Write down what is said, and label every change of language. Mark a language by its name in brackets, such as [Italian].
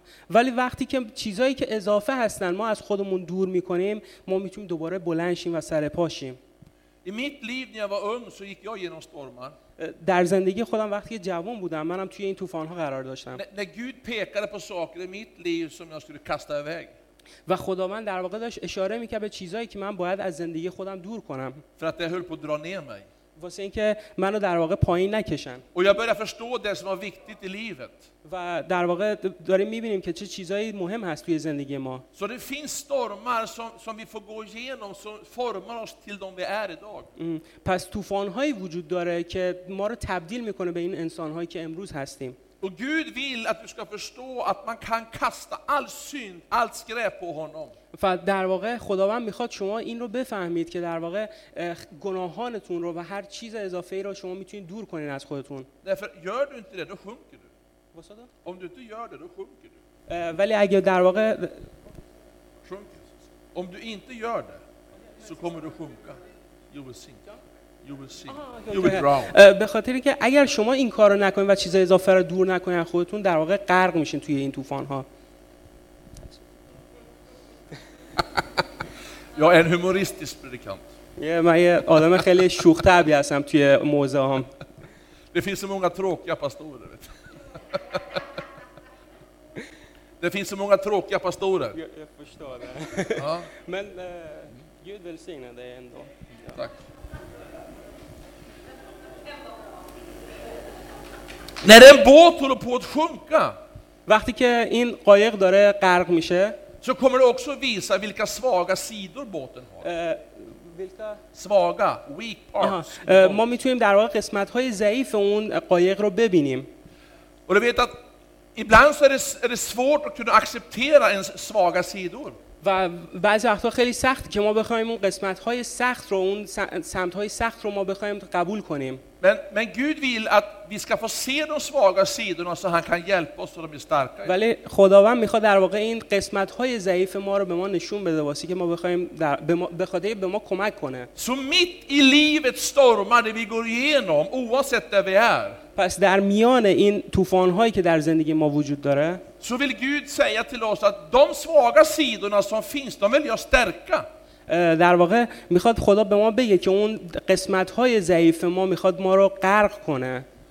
[Persian] ولی وقتی که چیزایی که اضافه هستن ما از خودمون دور میکنیم ما میتونیم دوباره بلند شیم و سر پا شیم. [Swedish] I mitt liv när jag var ung så gick jag genom stormar. [Persian] در زندگی خودم وقتی جوان بودم منم توی این طوفان ها قرار داشتم. [Swedish] När Gud pekade på saker i mitt liv som jag skulle kasta iväg. [Persian] و خداوند در واقع داشت اشاره میکرد به چیزایی که من باید از زندگی خودم دور کنم. [Swedish] För att det höll på att dra ner mig. [Persian] واسه اینکه منو در واقع پایین نکشن. [Swedish] Och jag började förstå det som var viktigt i livet. [Persian] و در واقع داریم میبینیم که چه چیزایی مهم هست توی زندگی ما. [Swedish] Så det finns stormar som vi får gå igenom som formar oss till de vi är idag. [Persian] پس طوفان‌هایی وجود داره که ما رو تبدیل میکنه به این انسان‌هایی که امروز هستیم. [Swedish] Och Gud vill att du ska förstå att man kan kasta all synd, allt skräp på honom. [Persian] För در واقع خداوند میخواد شما این رو بفهمید که در واقع گناهانتون رو و هر چیز اضافه‌ای رو شما میتونید دور کنین از خودتون. [Swedish] Därför gör du inte det, då sjunker du. Vad sa du? Om du inte gör det, då sjunker du. [Persian] ولی اگه در واقع [Swedish] sjunker. Om du inte gör det, så kommer du sjunka. [English] You will sink. [Persian] به خاطر اینکه اگر شما این کار رو نکنید و چیزای اضافه رو دور نکنید خودتون در واقع غرق میشین توی این طوفان ها. یا ان هیومریستیس پردیکانت. یه من یه آدم خیلی شوخ طبعی هستم توی موزه هام. [Swedish] Det finns så många tråkiga pastorer. Det finns så många tråkiga pastorer. Jag förstår det. Men Gud välsigne dig ändå. Tack. När en båt håller på att sjunka, [Persian] وقتی که این قایق داره غرق میشه, [Swedish] så kommer det också visa vilka svaga sidor båten har. Svaga, [English] weak parts. [Persian] ما میتونیم در واقع قسمت‌های ضعیف اون قایق رو ببینیم. [Swedish] Och du vet att ibland så är det svårt att kunna acceptera ens svaga sidor. [Persian] و بعضی وقتها خیلی سخت که ما بخوایم اون قسمت‌های سخت رو اون سمت‌های سخت رو ما بخوایم قبول کنیم. [Swedish] Men Gud vill att vi ska få se de svaga sidorna så han kan hjälpa oss så de blir starka. [Persian] ولی خداوند می‌خواد در واقع این قسمت‌های ضعیف ما رو به ما نشون بده واسه که ما بخوایم به خاطر به ما کمک کنه. [Swedish] So mitt i livets stormar det vi går igenom oavsett där vi är. [Persian] پس در میان این طوفان‌هایی که در زندگی ما وجود داره, [Swedish] så vill Gud säga till oss att de svaga sidorna som finns, de vill jag stärka. [Persian] در واقع میخواد خدا به ما بگه که اون قسمت‌های ضعیف ما میخواد ما رو غرق کنه.